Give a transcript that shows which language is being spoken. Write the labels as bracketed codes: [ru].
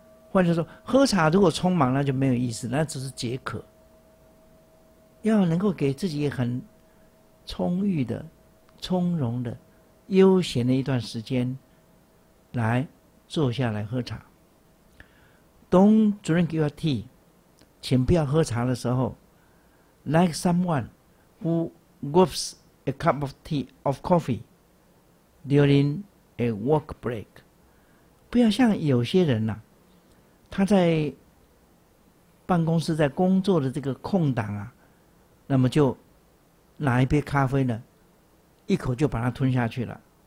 [zh] 换句话说，喝茶如果匆忙，那就没有意思，那只是解渴。要能够给自己很充裕的、从容的、悠闲的一段时间来坐下来喝茶。 [en] Don't drink your tea， [zh] 请不要喝茶的时候 [en] like someone who gulps a cup of tea of coffee during a work break。 [zh] 不要像有些人，他在办公室在工作的这个空档，那么就拿一杯咖啡呢，一口就把它吞下去了。